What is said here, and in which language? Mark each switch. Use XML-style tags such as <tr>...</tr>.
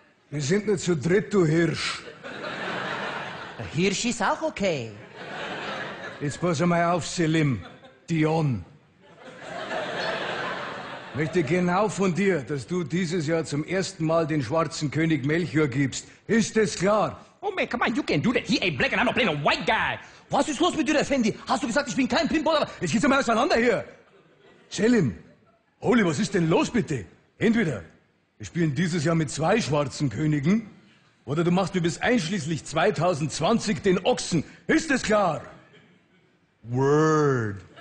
<de>Wir sind nur zu dritt, du Hirsch. Der Hirsch ist auch okay. Jetzt pass mal auf, Selim. Dion. Ich möchte genau von dir, dass du dieses Jahr zum ersten Mal den schwarzen König Melchior gibst. Ist das klar?</de> <en>Oh man, come on, you can't do that. He ain't black and I'm not playing a white guy.</en> <de>Was ist los mit dir, Effendi? Hast du gesagt, ich bin kein Pinballer? Jetzt geht's mal auseinander hier. Selim, Holy, was ist denn los, bitte? Entweder Wir spielen dieses Jahr mit zwei schwarzen Königen. Oder du machst mir bis einschließlich 2020 den Ochsen. Ist es klar?</de> <en>Word.</en>